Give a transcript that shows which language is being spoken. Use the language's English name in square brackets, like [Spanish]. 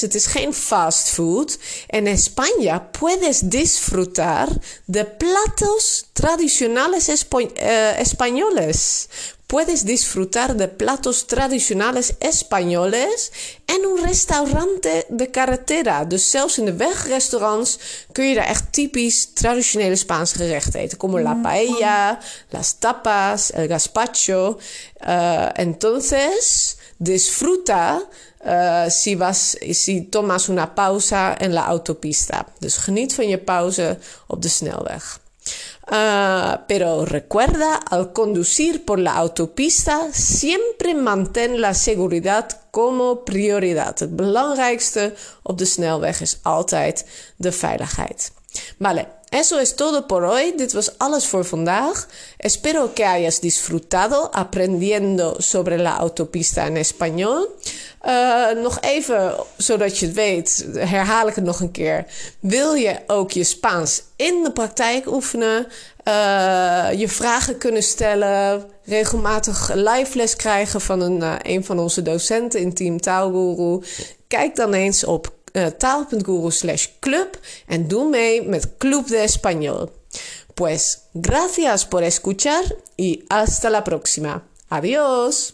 [Dutch] Het is geen fast food. [Spanish] En España puedes disfrutar de platos tradicionales españoles. Puedes disfrutar de platos tradicionales españoles en un restaurante de carretera. [Dutch] Dus zelfs in de wegrestaurants kun je daar echt typisch traditionele Spaanse gerechten eten. [Spanish] Como la paella, las tapas, el gazpacho. Entonces, disfruta si tomas una pausa en la autopista. [Dutch] Dus geniet van je pauze op de snelweg. [Spanish] Pero recuerda, al conducir por la autopista, siempre mantén la seguridad como prioridad. [Dutch] Het belangrijkste op de snelweg is altijd de veiligheid. [Spanish] Vale, eso es todo por hoy. [Dutch] Dit was alles voor vandaag. [Spanish] Espero que hayas disfrutado aprendiendo sobre la autopista en español. [Dutch] Nog even, zodat je het weet, herhaal ik het nog een keer. Wil je ook je Spaans in de praktijk oefenen? Je vragen kunnen stellen? Regelmatig live les krijgen van een van onze docenten in Team Taalguru? Kijk dan eens op taal.guru/club en doe mee met Club de Español. [Spanish] Pues, gracias por escuchar y hasta la próxima. Adiós!